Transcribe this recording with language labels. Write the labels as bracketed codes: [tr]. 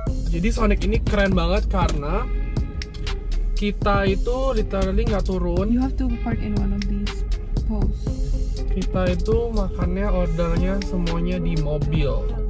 [id] jadi Sonic ini keren banget karena kita itu literally nggak turun. [en] You have to park in one of these posts. [id] Kita itu makannya ordernya semuanya di mobil.